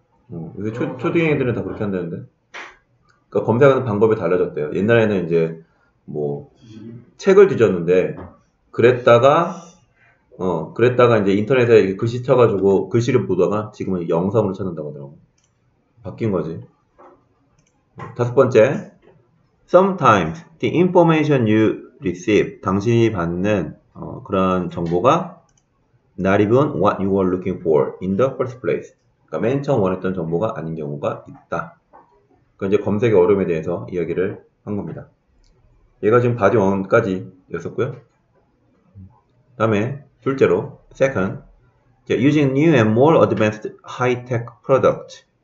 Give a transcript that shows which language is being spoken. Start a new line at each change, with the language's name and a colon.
Korean: 요새 초딩 애들은 다 그렇게 한다는데. 그러니까 검색하는 방법이 달라졌대요. 옛날에는 이제 뭐 책을 뒤졌는데 그랬다가 이제 인터넷에 글씨 쳐가지고 글씨를 보다가 지금은 영상으로 찾는다고 하더라고. 바뀐 거지. 다섯 번째.
English: Sometimes the information you receive,
Korean: 당신이 받는 그런 정보가
English: not even what you were looking for in the first place.
Korean: 그러니까 맨 처음 원했던 정보가 아닌 경우가 있다. 그러니까 이제 검색의 어려움에 대해서 이야기를 한 겁니다. 얘가 지금 바디 원까지 였었고요. 다음에 둘째로,
English: second, using new and more advanced high-tech products.